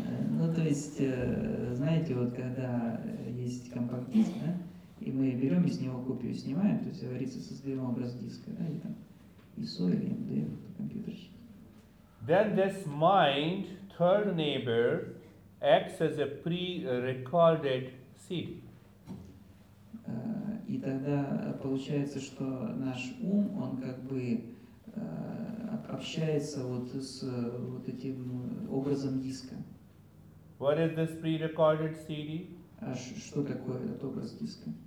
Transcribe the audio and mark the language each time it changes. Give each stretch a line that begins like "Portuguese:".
Russian: Ну, то есть, знаете, вот когда есть компакт-диск, да, и мы берем из него копию, снимаем, то есть, говорится, создаем образ диска, да, и там ISO или MDF, компьютерщик.
English: Then this mind, third neighbor, acts as a pre-recorded CD.
Russian: И тогда получается, что наш ум, он как бы общается вот с вот этим образом диска.
English: What is this pre-recorded CD?
Russian: Что такое этот образ диска?